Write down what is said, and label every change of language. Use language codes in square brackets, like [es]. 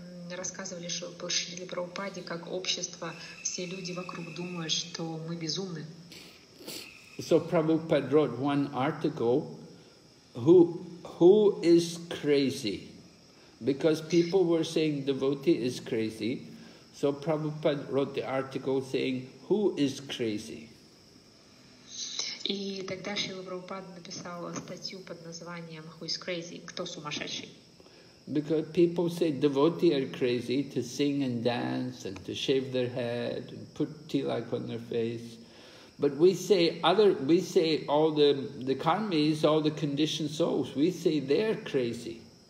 [ru] Рассказывали, что Шрила Прабхупаде, как общество, все люди вокруг думают, что мы безумны. [en] So Prabhupada wrote one article, who is crazy? Because people were saying devotee is crazy, so Prabhupada wrote the article saying, who is crazy? [ru] И тогда Шрила Прабхупада написал статью под названием [en] «Who is crazy?» [ru] – «Кто сумасшедший?» [en] Because people say devotees are crazy to sing and dance and to shave their head and put tilak on their face. But we say all the karmis, all the conditioned souls, we say they're crazy.